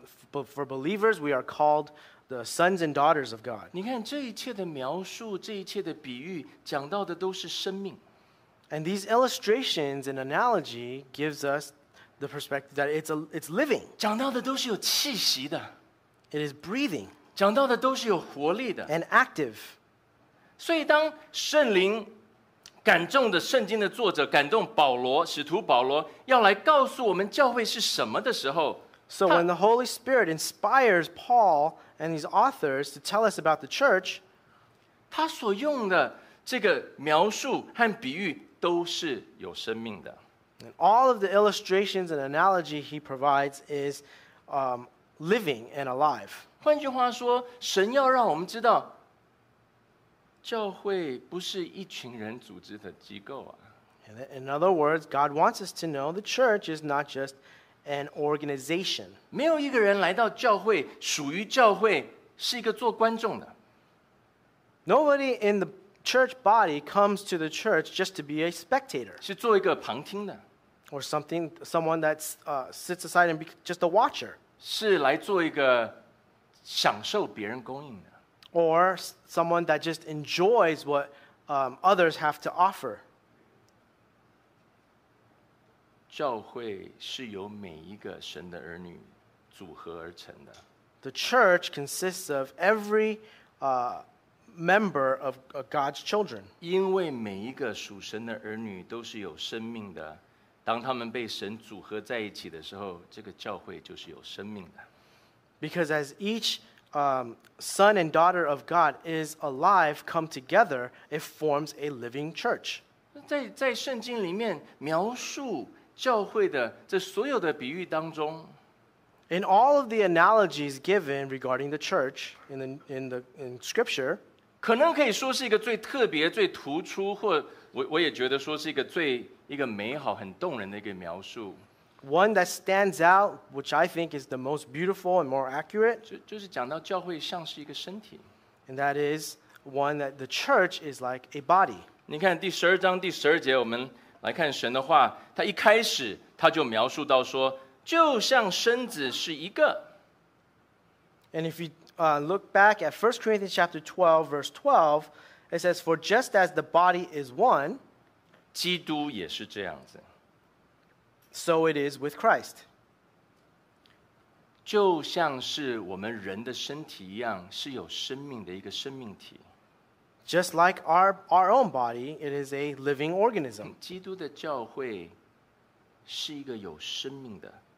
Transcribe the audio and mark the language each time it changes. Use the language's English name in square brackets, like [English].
[English] For believers, we are called the sons and daughters of God. [Chinese] 你看这一切的描述，这一切的比喻，讲到的都是生命。 [English] And these illustrations and analogy gives us the perspective that it's living. [Chinese] 讲到的都是有气息的。 [English] It is breathing. [Chinese] 讲到的都是有活力的。 [English] And active. [Chinese] 所以当圣灵感动的圣经的作者感动保罗，使徒保罗要来告诉我们教会是什么的时候， [English] So when the Holy Spirit inspires Paul and these authors to tell us about the church, [Chinese] 他所用的这个描述和比喻都是有生命的。 [English] And all of the illustrations and analogy he provides is living and alive. [Chinese] 换句话说，神要让我们知道教会不是一群人组织的机构啊。 [English] In other words, God wants us to know the church is not just an organization. [Chinese] 没有一个人来到教会，属于教会是一个做观众的。 [English] Nobody in the church body comes to the church just to be a spectator. [Chinese] 是做一个旁听的。 [English] Or something, someone that sits aside and be just a watcher. [Chinese] 是来做一个享受别人供应的。 [English] Or someone that just enjoys what others have to offer. [Chinese] 教会是由每一个神的儿女组合而成的。 [English] The church consists of every member of God's children. [Chinese] 因为每一个属神的儿女都是有生命的，当他们被神组合在一起的时候，这个教会就是有生命的。 [English] Because as each son and daughter of God is alive, come together, it forms a living church. [Chinese] 在圣经里面描述教会的这所有的比喻当中。 [English] In all of the analogies given regarding the church in scripture, [Chinese] 可能可以说是一个最特别、最突出，或 我也觉得说是一个最一个美好、很动人的一个描述。 [English] One that stands out, which I think is the most beautiful and more accurate, [Chinese] 就是讲到教会像是一个身体。 [English] And that is one that the church is like a body. [Chinese] 你看第十二章第十二节，我们来看神的话，他一开始他就描述到说。就像身子是一个。 [English] And if you look back at 1 Corinthians chapter 12, verse 12, it says, For just as the body is one, [Chinese] 基督也是这样子。 [English] So it is with Christ. [Chinese] 就像是我们人的身体一样，是有生命的一个生命体。 [English] Just like our own body, it is a living organism. [Chinese] 基督的教会是一个有生命的。